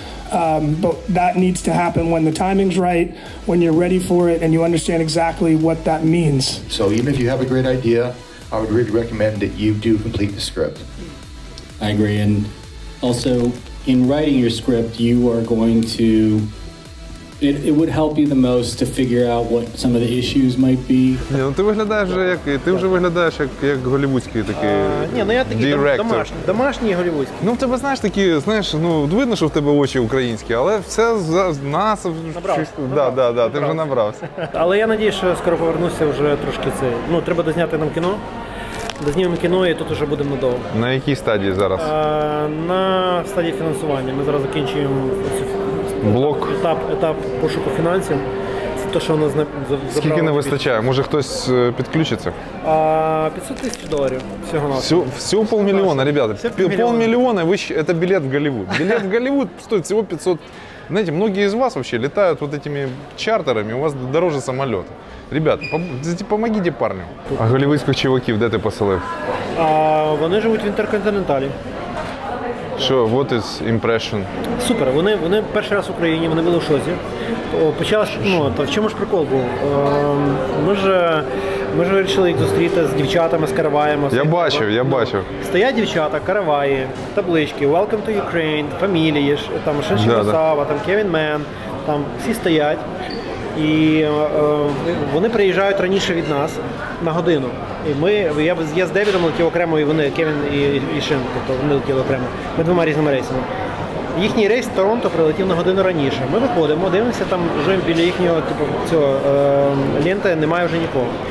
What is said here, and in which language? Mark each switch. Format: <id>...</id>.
<en>But that needs to happen when the timing's right, when you're ready for it, and you understand exactly what that means. So even if you have a great idea, I would really recommend that you do complete the script. I agree, and also in writing your script, you are going to, it would help you the most to figure out what some of the issues might be.</en> <ru>Не, ну ты выглядаешь, как, ты уже выглядаешь, как голливудский такий директор.</ru> <uk>Не, ну я такий домашній голливудський. Ну, в тебе, знаєш, такі, знаєш, ну, видно, що в тебе очі українські, але все за нас. Набрався. Да, да, да, ти вже набрався. Але я надію, що скоро повернуся вже трошки це. Ну, треба дозняти нам кіно. Дознімемо кіно і тут вже будемо довго. На якій стадії зараз? На стадії фінансування. Ми зараз закінчуємо цю. Блок. Етап пошуку фінансів. Це те, що у нас забрало. Скільки не вистачає? Може хтось підключиться? $500,000 всього на все. Всього полмільйона, ребята. Полмільйона, це білет в Голлівуд. Білет в Голлівуд стоїть всього 500. Знаєте,</uk> <ru>многие из вас вообще летают вот этими чартерами, у вас дороже самолет. Ребята, помогите парню.</ru> <uk>А голлівудських чуваків, де ти поселив? Вони живуть в Інтерконтиненталі.</uk> <en>Що, what is impression?</en> <uk>Супер, вони перший раз в Україні, вони були в шозі. Почалося, ну, то в чому ж прикол був? Ми ж вирішили їх зустріти з дівчатами, з караваями. Я бачив. Стоять дівчата, караваї, таблички,</uk> <en>welcome to Ukraine,</en> <uk>фамілії, там Шенші Басава, там Кевін Мен, там всі стоять. І вони приїжджають раніше від нас, на годину. І я з Девідом летів окремо, і вони, Кевін і Шин, тобто вони летіли окремо. Ми двома різними рейсами. Їхній рейс в Торонто прилетів на годину раніше. Ми виходимо, дивимося, там вже біля їхнього типу, ленти немає вже нікого.</uk>